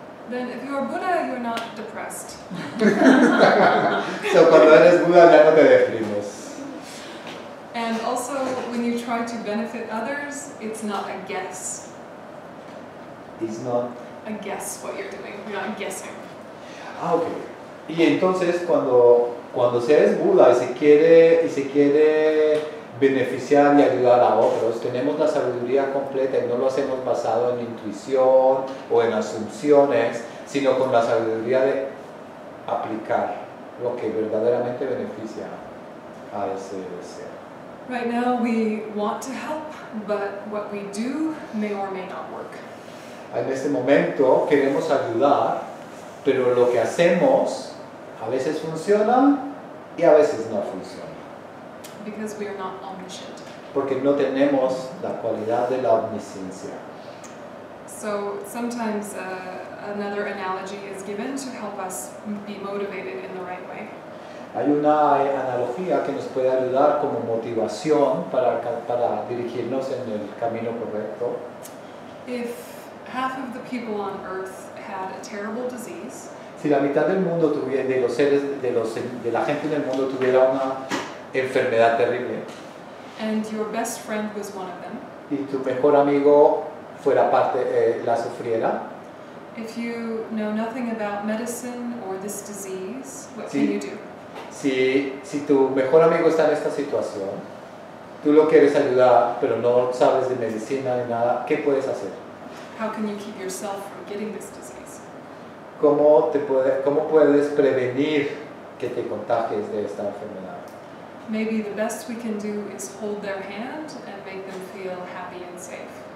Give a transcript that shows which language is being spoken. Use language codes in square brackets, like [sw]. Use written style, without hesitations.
[en] Then if you're a Buddha, you're not depressed. [es] So cuando eres Buda, ya no te deprimes. [en] And also, when you try to benefit others, it's not a guess. It's not a guess what you're doing. You're not guessing. Ah, okay. [es] Y entonces cuando seas Buda y se quiere beneficiar y ayudar a otros, tenemos la sabiduría completa y no lo hacemos basado en intuición o en asunciones, sino con la sabiduría de aplicar lo que verdaderamente beneficia a ese ser. [en] Right now we want to help, but what we do may or may not work. [es] En este momento queremos ayudar, pero lo que hacemos a veces funciona y a veces no funciona. [en] Because we are not omniscient. [es] Porque no tenemos la cualidad de la omnisciencia. [en] So sometimes another analogy is given to help us be motivated in the right way. [es] Hay una analogía que nos puede ayudar como motivación para dirigirnos en el camino correcto. [en] If half of the people on earth had a terrible disease, [es] si la mitad del mundo tuviera de la gente del mundo tuviera una enfermedad terrible, [en] and your best friend was one of them, [es] y tu mejor amigo fuera parte la sufriera, [en] if you know nothing about medicine or this disease, what can you do? [es] Si tu mejor amigo está en esta situación, tú lo quieres ayudar pero no sabes de medicina ni nada, ¿qué puedes hacer? [en] How can you keep yourself from getting this disease? [es] ¿Cómo puedes prevenir que te contagies de esta enfermedad? [en] Maybe the best we can do is hold their hand and make them feel happy and safe.